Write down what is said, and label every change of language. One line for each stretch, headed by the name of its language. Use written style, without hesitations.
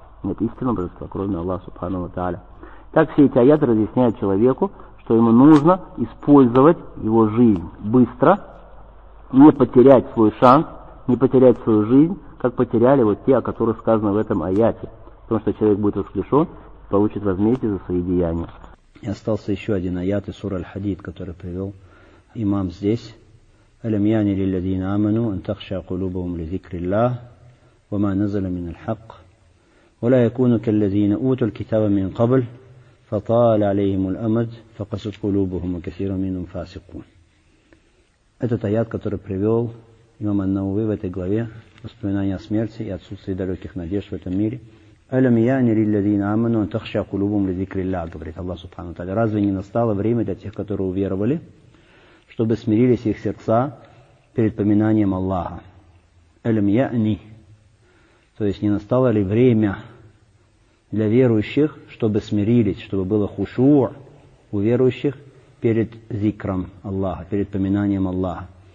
Russian: Нет истинного божества, кроме Аллаха, субхану ва тааля. Так все эти аяты разъясняют человеку, что ему нужно использовать его жизнь быстро, не потерять свой шанс, не потерять свою жизнь, как потеряли вот те, о которых сказано в этом аяте. Потому что человек будет воскрешен, получит возмездие за свои деяния. И остался еще один аят из суры Аль-Хадид, который привел имам здесь.
Arabic: «Алям яни лилладзина аману антахша кулубаум лизикриллах, вама назала мин аль-хак». ولا يكونوا كالذين أوتوا الكتاب من قبل فطال عليهم الأمد فقست قلوبهم وكثير منهم فاسقون.
Russian: Этот аят, который привел имам ан-Науви в этой главе, воспоминание о смерти и отсутствии далеких надежд в этом мире.
Arabic: ألم يعني للذين آمنوا أن تخشى قلوبهم لذكر الله,
Russian: говорит Аллах Субхану Тааля. Разве не настало время для тех, которые уверовали, чтобы смирились их сердца перед поминанием Аллаха?
Arabic: ألم يعني.
Russian: То есть не настало ли время для верующих, чтобы смирились, чтобы было хушуа у верующих перед зикром Аллаха, перед поминанием Аллаха.